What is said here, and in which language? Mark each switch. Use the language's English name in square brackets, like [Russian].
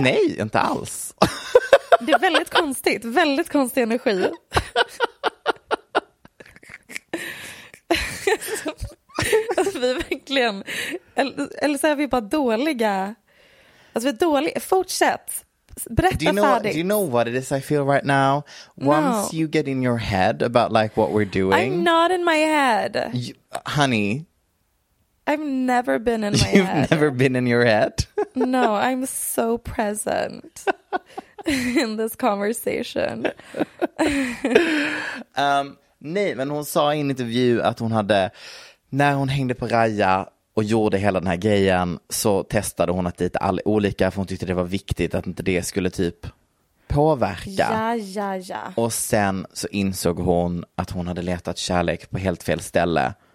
[Swedish] Nej, inte alls. Det är väldigt konstigt. Väldigt konstig energi. Alltså, vi är verkligen... Eller så är vi bara dåliga... Alltså vi är dåliga. Fortsätt. Berätta färdigt. [English] Do you know what it is I feel right now? Once you get in your head about like what we're doing. I'm not in my head. Honey. I've never been in my head. You've never been in your head? No, I'm so present in this conversation. [Swedish] Nej, men hon sa i en intervju att hon hade, när hon hängde på Raja och gjorde hela den här grejen, så testade hon att dita all olika, för hon tyckte det var viktigt att inte det skulle typ påverka. Ja, ja, ja. Och sen så insåg hon att hon hade letat kärlek på helt fel ställe.